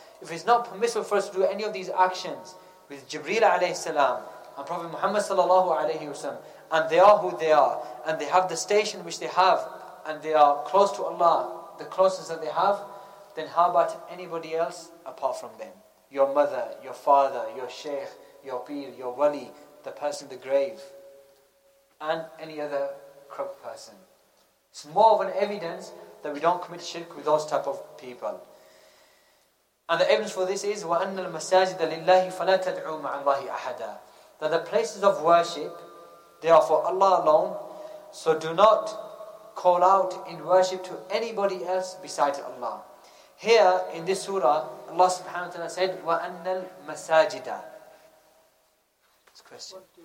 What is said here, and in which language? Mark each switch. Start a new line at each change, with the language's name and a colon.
English: If it's not permissible for us to do any of these actions with Jibreel alayhi salam and Prophet Muhammad sallallahu alayhi wa sallam, and they are who they are, and they have the station which they have, and they are close to Allah, the closeness that they have, then how about anybody else apart from them? Your mother, your father, your sheikh, your peer, your wali, the person in the grave, and any other corrupt person. It's more of an evidence that we don't commit shirk with those type of people. And the evidence for this is,
Arabic: وَأَنَّ الْمَسَاجِدَ لِلَّهِ فَلَا تَدْعُوا مَعَ اللَّهِ أَحَدًا.
English: That the places of worship, they are for Allah alone, so do not call out in worship to anybody else besides Allah. Here, in this surah, Allah subhanahu wa ta'ala said,
Arabic: وَأَنَّ الْمَسَاجِدَ.
English: It's a question.